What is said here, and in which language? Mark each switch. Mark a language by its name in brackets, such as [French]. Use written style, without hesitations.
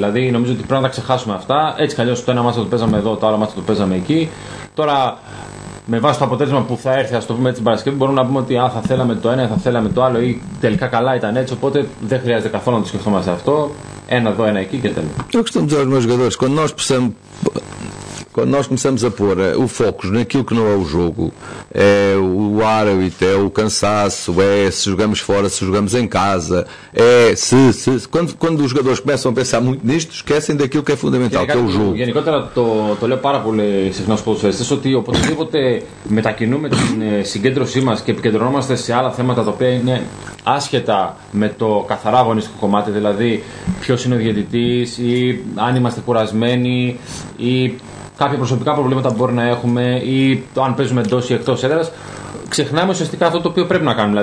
[Greek] Δηλαδή, νομίζω ότι πρέπει να τα ξεχάσουμε αυτά. Έτσι κι αλλιώς το ένα μάτσο το παίζαμε εδώ, το άλλο μάτσο το παίζαμε εκεί. Τώρα, με βάση το αποτέλεσμα που θα έρθει, ας το πούμε έτσι την Παρασκευή, μπορούμε να πούμε ότι θα θέλαμε το ένα, θα θέλαμε το άλλο ή τελικά καλά ήταν έτσι. Οπότε δεν χρειάζεται καθόλου να το σκεφτόμαστε αυτό. Ένα εδώ, ένα εκεί και τέλος. Όχι στον Τζόρι μας γαδόρες. [Portuguese] Quando nós começamos a pôr o foco naquilo que não é o jogo, é o árbitro, é o cansaço, é se jogamos fora, se jogamos em casa, é se. Quando os jogadores começam a pensar muito nisto, esquecem daquilo que é fundamental, que é o jogo. [Greek] Γενικότερα, το λέω πάρα πολύ συχνά στους ποδοσφαιριστές, ότι οπωσδήποτε μετακινούμε την συγκέντρωσή μας και επικεντρωνόμαστε σε άλλα θέματα τα οποία είναι άσχετα με το καθαρά αγωνιστικό κομμάτι, δηλαδή ποιος είναι ο διαιτητής ή αν είμαστε κουρασμένοι ή κάποια προσωπικά προβλήματα που μπορεί να έχουμε ή το αν παίζουμε εντός ή εκτός έδρας, ξεχνάμε ουσιαστικά αυτό το οποίο πρέπει να κάνουμε.